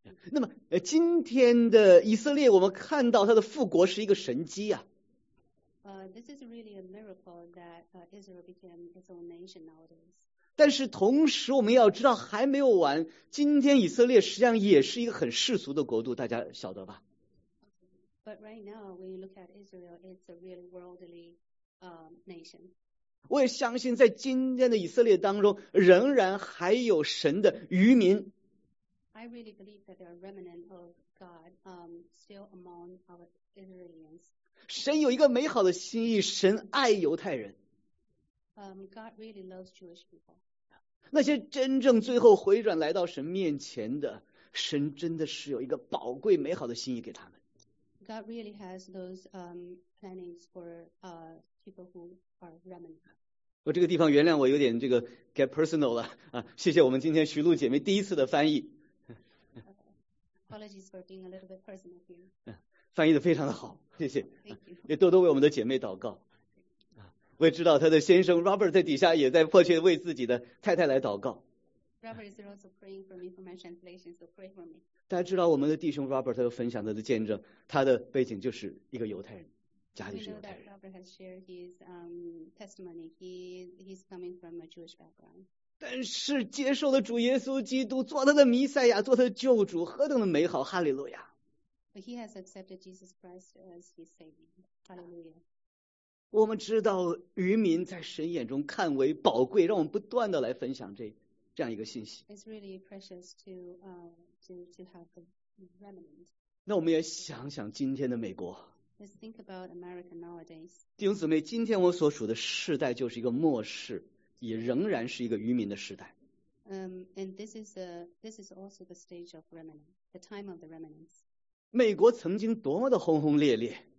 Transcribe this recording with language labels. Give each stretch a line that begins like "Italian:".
Chinese: 那么今天的以色列，我们看到他的复国是一个神迹啊。
English: This is really a miracle that Israel became its own nation nowadays.
Chinese: 但是同时我们要知道还没有完，今天以色列实际上也是一个很世俗的国度，大家晓得吧。
English: But right now, when you look at Israel, it's a really worldly nation.
Chinese: 我也相信在今天的以色列当中仍然还有神的余民。
English: I really believe that there are remnant of God, still among our Israelites.
Chinese: 神有一个美好的心意，神爱犹太人。
English: God really loves Jewish people.
Chinese: 那些真正最后回转来到神面前的，神真的是有一个宝贵美好的心意给他们。
English: God really has those plannings for people who are remnant.
Chinese: 我这个地方原谅我有点这个
English: get personal
Chinese: 了啊，谢谢我们今天徐璐姐妹第一次的翻译。
English: Apologies for being a little bit personal here.
Chinese: 翻译的非常的好，谢谢。
English: Thank you.
Chinese: 也多多为我们的姐妹祷告。我也知道他的先生 Robert 在底下也在迫切为自己的太太来祷告。
English: Robert is also praying for me for my translation, so pray for me.
Chinese: 大家知道我们的弟兄 Robert 有分享他的见证，他的背景就是一个犹太人，家里是犹太人。
English: We know that Robert has shared his testimony. He's coming from a Jewish background.
Chinese: 但是接受了主耶稣基督，做他的弥赛亚，做他的救主，何等的美好！哈利路亚。
English: But he has accepted Jesus Christ as his savior. Hallelujah.
Chinese: 我们知道渔民在神眼中看为宝贵，让我们不断的来分享这样一个信息。
English: It's really precious to have the remnant.
Chinese: 那我们也想想今天的美国。
English: Let's think about America nowadays.
Chinese: 弟兄姊妹，今天我所属的世代就是一个末世，也仍然是一个渔民的时代。
English: And this is also the stage of remnant, the time of the remnants.
Chinese: 美国曾经多么的轰轰烈烈。